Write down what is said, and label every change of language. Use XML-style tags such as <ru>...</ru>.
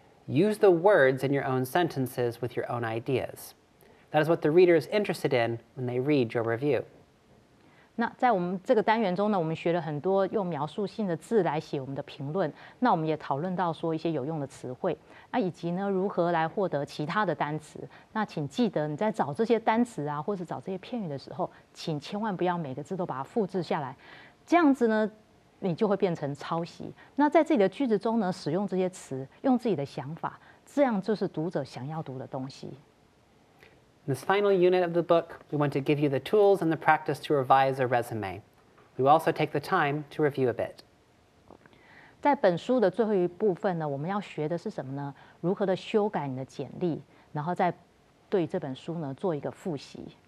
<en>Use the words in your own sentences with your own ideas. That is what the reader is interested in when they read your review.</en> <zh>那在我们这个单元中呢，我们学了很多用描述性的字来写我们的评论。那我们也讨论到说一些有用的词汇，那以及呢如何来获得其他的单词。那请记得你在找这些单词啊，或者找这些片语的时候，请千万不要每个字都把它复制下来，这样子呢。你就会变成抄袭。那在自己的句子中呢，使用这些词，用自己的想法，这样就是读者想要读的东西。</zh> <en>In this final unit of the book, we want to give you the tools and the practice to revise a resume. We will also take the time to review a bit.</en> <zh>在本书的最后一部分呢，我们要学的是什么呢？如何的修改你的简历，然后再对这本书呢做一个复习。</zh>